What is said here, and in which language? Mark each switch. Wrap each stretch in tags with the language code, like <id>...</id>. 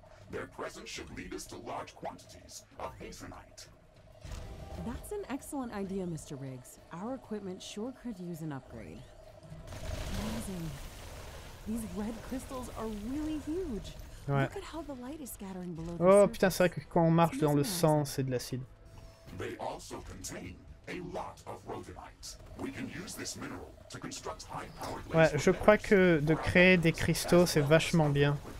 <en>Their presence should lead us to large quantities of hazonite. That's an excellent idea, Mr. Riggs. Our equipment sure could use an upgrade. Amazing. These red crystals are really huge.</en> <fr>Ouais.</fr> <en>Look at how the light is scattering below.</en> <fr>Oh putain, c'est vrai que quand on marche dans le sang, c'est de l'acide.</fr> <en>They also contain a lot of rhodonite. We can use this mineral to construct high-powered lasers.</en> <fr>Ouais, je crois que de créer des cristaux, c'est vachement bien.</fr>